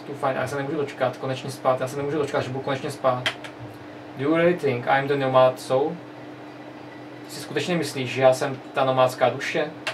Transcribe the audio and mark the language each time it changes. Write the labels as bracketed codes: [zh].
[cs] Já se nemůžu dočkat, až budu konečně spát. [en] Do you really think I'm the nomad soul? [cs] Ty si skutečně myslíš, že já jsem ta nomádská duše?